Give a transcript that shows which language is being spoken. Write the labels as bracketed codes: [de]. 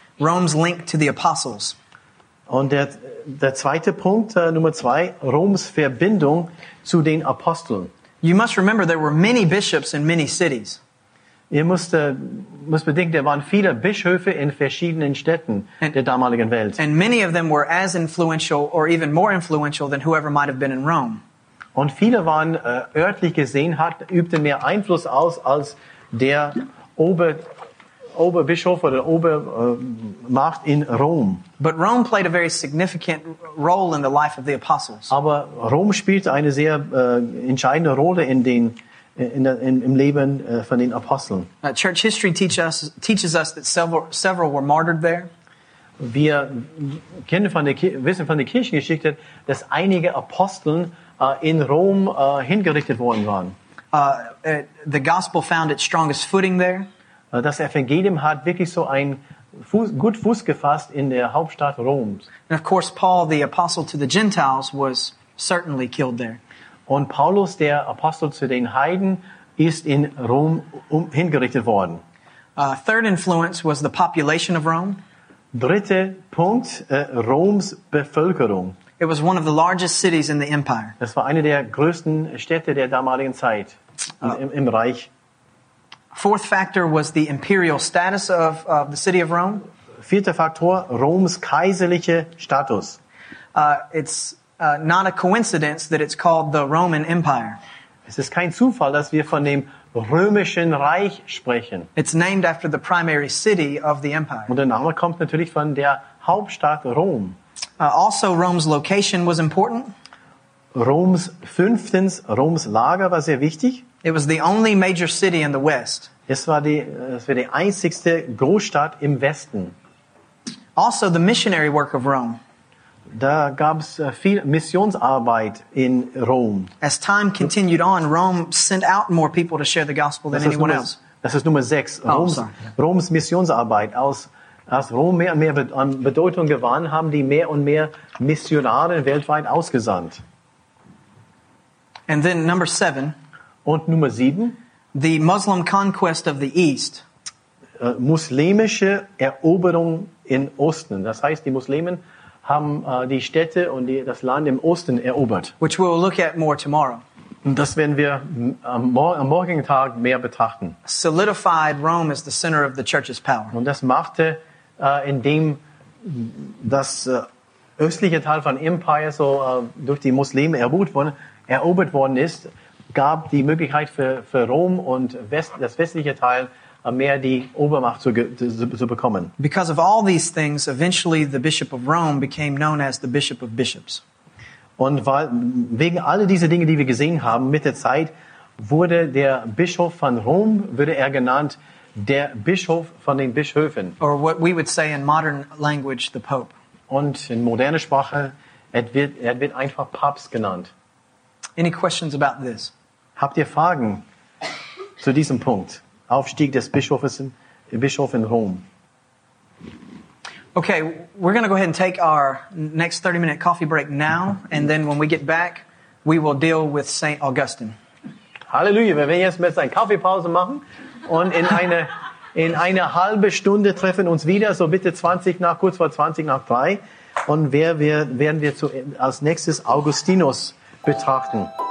[en] Rome's link to the apostles. [de] Und der zweite Punkt, Nummer zwei, Roms Verbindung zu den Aposteln. [en] You must remember there were many bishops in many cities. [de] Ihr müsst bedenken, da waren viele Bischöfe in verschiedenen Städten der damaligen Welt. [en] And many of them were as influential or even more influential than whoever might have been in Rome. [de] Und viele waren örtlich gesehen, übten mehr Einfluss aus als der Oberbischof oder Obermacht in Rom. [en] But Rome played a very significant role in the life of the apostles. [de] Aber Rom spielte eine sehr entscheidende Rolle im Leben von den Aposteln. [en] Church history teaches us that several were martyred there. [de] Wir wissen von der Kirchengeschichte, dass einige Aposteln in Rom hingerichtet worden waren. [en] The gospel found its strongest footing there. [de] Das Evangelium hat wirklich so ein gut Fuß gefasst in der Hauptstadt Roms. [en] And of course, Paul, the apostle to the Gentiles, was certainly killed there. [de] Und Paulus, der Apostel zu den Heiden, ist in Rom hingerichtet worden. [en] Third influence was the population of Rome. [de] Dritte Punkt, Roms Bevölkerung. [en] It was one of the largest cities in the empire. [de] Das war eine der größten Städte der damaligen Zeit im Reich. [en] Fourth factor was the imperial status of the city of Rome. [de] Vierter Faktor, Roms kaiserliche Status. [en] It's not a coincidence that it's called the Roman Empire. [de] Es ist kein Zufall, dass wir von dem Römischen Reich sprechen. [en] It's named after the primary city of the empire. [de] Und der Name kommt natürlich von der Hauptstadt Rom. [en] Also, Rome's location was important. [de] Roms Lager war sehr wichtig. [en] It was the only major city in the West. [de] Es war die einzigste Großstadt im Westen. [en] Also, the missionary work of Rome. [de] Da gab es viel Missionsarbeit in Rom. [en] As time continued on, Rome sent out more people to share the gospel than anyone else. [de] Das ist Nummer 6. Roms Missionsarbeit. Als Rom mehr und mehr an Bedeutung gewann, haben die mehr und mehr Missionare weltweit ausgesandt. [en] And then number 7. [de] Und Nummer 7. [en] The Muslim conquest of the East. [de] Muslimische Eroberung in Osten. Das heißt, die Muslimen haben die Städte und das Land im Osten erobert. [en] Which we'll look at more tomorrow. [de] Das werden wir am morgigen Tag mehr betrachten. [en] Solidified Rome as the center of the church's power. [de] Und das machte, indem das östliche Teil von Empire so durch die Muslime erobert worden ist, gab die Möglichkeit für Rom und das westliche Teil mehr die Obermacht zu bekommen. [en] Because of all these things, eventually the Bishop of Rome became known as the Bishop of Bishops. [de] Und wegen all dieser Dinge, die wir gesehen haben, mit der Zeit wurde der Bischof von Rom, wurde er genannt, der Bischof von den Bischöfen. [en] Or what we would say in modern language, the Pope. [de] Und in moderner Sprache, er wird einfach Papst genannt. [en] Any questions about this? [de] Habt ihr Fragen zu diesem Punkt? Aufstieg des Bischof in Rom. [en] Okay, we're going to go ahead and take our next 30-minute coffee break now, and then when we get back, we will deal with St. Augustine. [de] Halleluja, wir werden jetzt mit einer Kaffeepause machen und in eine halbe Stunde treffen uns wieder, so bitte kurz vor 20 nach 3, und werden wir als nächstes Augustinus betrachten.